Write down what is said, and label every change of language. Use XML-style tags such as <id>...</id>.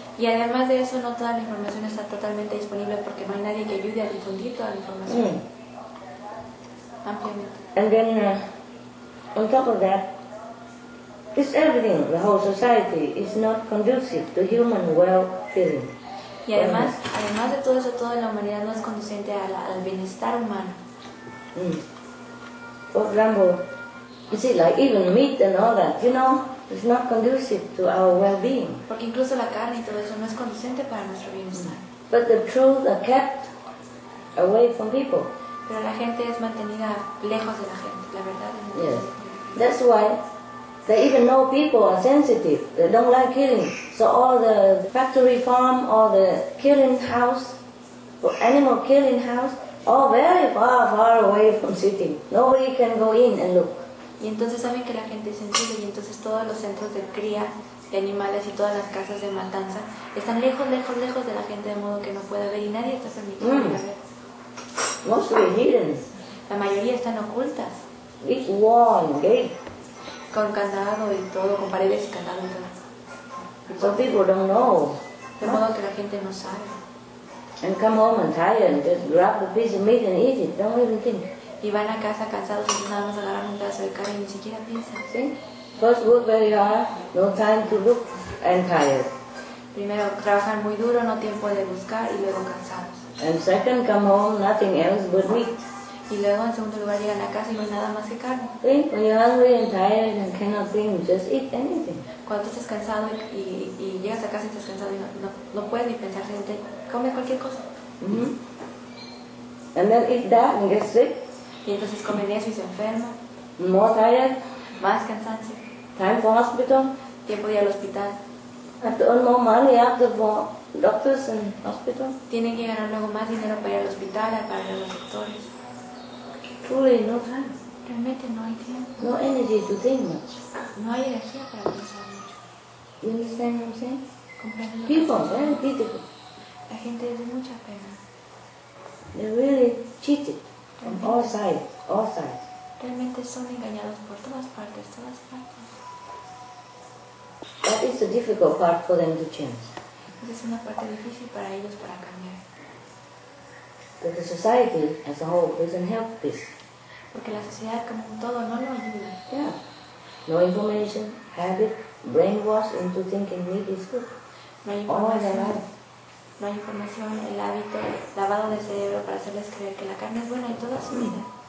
<es>Y además de eso, no toda la información está totalmente disponible porque no hay nadie que ayude a difundir toda la información. Mm.</es> <en>And then, on top of that, it's everything, the whole society, is not conducive to human well-being.</en> <es>Y además de todo eso, toda la humanidad no es conducente al bienestar humano. Mm.</es> <en>For example, you see, like even meat and all that, you know, it's not conducive to our well-being.</en> <es>Porque incluso la carne y todo eso no es conducente para nuestro bienestar. Mm.</es> <en>But the truth are kept away from people.</en> <es>Pero la gente es mantenida lejos de la gente, la verdad.</es> <en>Yes. That's why they even know people are sensitive. They don't like killing. So all the factory farm or the killing house, or animal killing house, all very far, far away from city. Nobody can go in and look.</en> <es>Y entonces saben que la gente es sensible y entonces todos los centros de cría de animales y todas las casas de matanza están lejos, lejos, lejos de la gente de modo que no pueda ver y nadie está permitido ver.</es> <en>Mostly hidden.</en> <es>La mayoría están ocultas.</es> <en>Big wall, gate.</en> <es>Con candado y todo, con paredes y candado y todo.</es> <en>Some people don't know.</en> <es>De modo que la gente no sabe.</es> <en>And come home and tired and just grab a piece of meat and eat it. Don't even think.</en> <es>Y van a casa cansados y nada más agarran un pedazo de carne y ni siquiera piensan. ¿Sí?</es> <en>First work very hard, no time to look and tired.</en> <es>Primero trabajan muy duro, no tiempo de buscar y luego cansados.</es> <en>And second, come home, nothing else but meat.</en> <es>Y y luego en segundo lugar llegan a casa y no hay nada más que carne.</es> <en>When you're hungry and tired and cannot think, just eat anything.</en> <es>Cuando estás cansado y llegas a casa y estás cansado y no puedes ni pensar, simplemente come cualquier cosa.</es> <en>Mm-hmm. And then eat that and get sick.</en> <es>Y entonces come eso y se enferma.</es> <en>More tired.</en> <es>Más cansancio.</es> <en>Time for hospital.</en> <es>Tiempo de ir al hospital.</es> <en>After all, more money after for doctors and hospital.</en> <es>Tienen que ganar luego más dinero para ir al hospital, para ir a los doctores.</es> <en>Truly, no time.</en> <es>Realmente no hay tiempo.</es> <en>No energy to think much.</en> <es>No hay energía para pensar mucho.</es> <en>You understand what I'm saying? People, very pitiful.</en> <es>La gente es de mucha pena.</es> <en>They're really cheated from all sides, all sides.</en> <es>Realmente son engañados por todas partes, todas partes.</es> <en>That is a difficult part for them to change.</en> <es>Es una parte difícil para ellos para cambiar.</es> <en>But the society as a whole doesn't help this.</en> <es>Porque la sociedad como un todo no lo ayuda.</es> <en>Yeah. No information, habit, brainwashed into thinking meat is good.</en> <es>No hay información. All no hay información, el hábito, lavado de cerebro para hacerles creer que la carne es buena en toda su vida.</es>